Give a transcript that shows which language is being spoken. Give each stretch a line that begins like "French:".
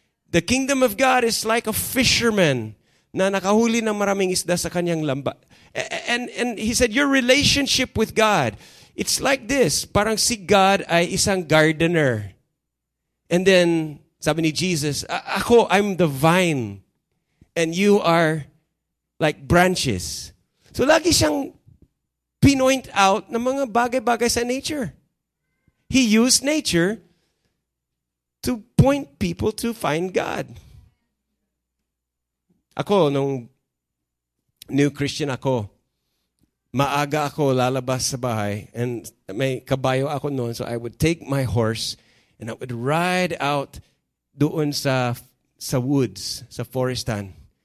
English: The kingdom of God is like a fisherman
Filipino: na nakahuli ng maraming isda sa kanyang lamba.
English: And he said, your relationship with God, it's like this.
Filipino: Parang si God ay isang gardener. And then, sabi ni Jesus, ako,
English: I'm the vine. And you are like branches.
Filipino: So lagi siyang pinoint out ng mga bagay-bagay sa nature.
English: He used nature to point people to find God.
Filipino: Ako, nung new Christian ako, maaga ako lalabas sa bahay and may kabayo ako noon,
English: so I would take my horse and I would ride out
Filipino: doon sa woods, sa forestan.